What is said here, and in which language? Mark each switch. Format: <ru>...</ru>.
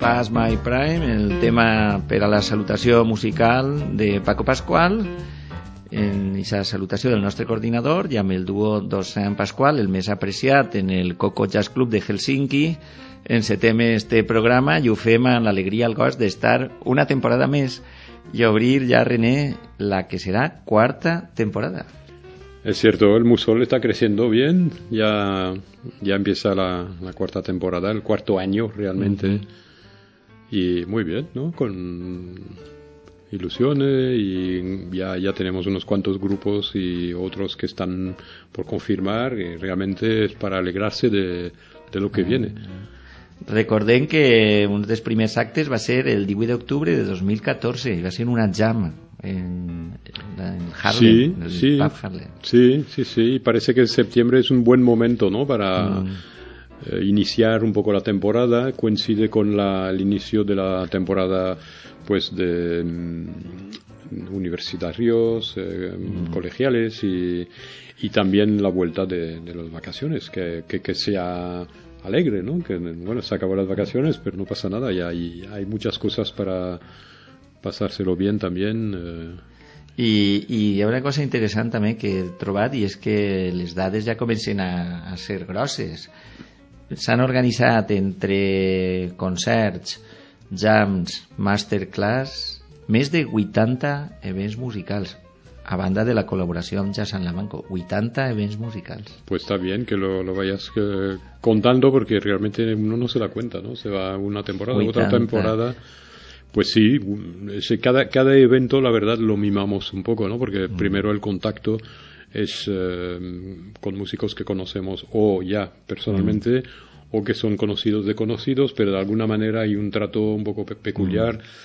<ca>My Prime, el tema per a la salutació musical de Paco Pascual, en aquesta salutació del nostre coordinador i amb el duo Dossant Pascual, el més apreciat en el Coco Jazz Club de Helsinki. Encetem este programa i ho fem amb l'alegria al cos d'estar una temporada més i obrir ja, René, la que serà quarta temporada.</ca> <es>Es cierto, el Mussol está creciendo bien, ya empieza la cuarta temporada, el cuarto año realmente. Mm-hmm. Y muy bien, ¿no? Con ilusiones, y ya tenemos unos cuantos grupos y otros que están por confirmar, y realmente es para alegrarse de lo que viene.</es> <ca>Recordem que un dels primers actes va ser el 18 d'octubre de 2014, va ser una jam en Harlem.</ca> <es>Sí, en sí, Harlem. Sí, sí, sí, y parece que en septiembre es un buen momento, ¿no?, para... iniciar un poco la temporada. Coincide con el inicio de la temporada, pues, de universitarios, colegiales y también la vuelta de las vacaciones, que sea alegre, ¿no? Que, bueno, se acabó las vacaciones, pero no pasa nada, ya hay muchas cosas para pasárselo bien también.</es> <ca>I hi ha una cosa interessant també que he trobat, i és que les dades ja comencen a ser grosses. S'han organitzat entre concerts, jams, masterclass, més de 80 events musicals, a banda de la col·laboració amb Jazz en la Manco. 80 events musicals.</ca> <es>Pues está bien que lo vayas contando, porque realmente uno no se da cuenta, ¿no? Se va una temporada, 80. Otra temporada. Pues sí, cada evento, la verdad, lo mimamos un poco, ¿no? Porque primero el contacto es con músicos que conocemos o ya personalmente, o que son conocidos de conocidos, pero de alguna manera hay un trato un poco peculiar.</es>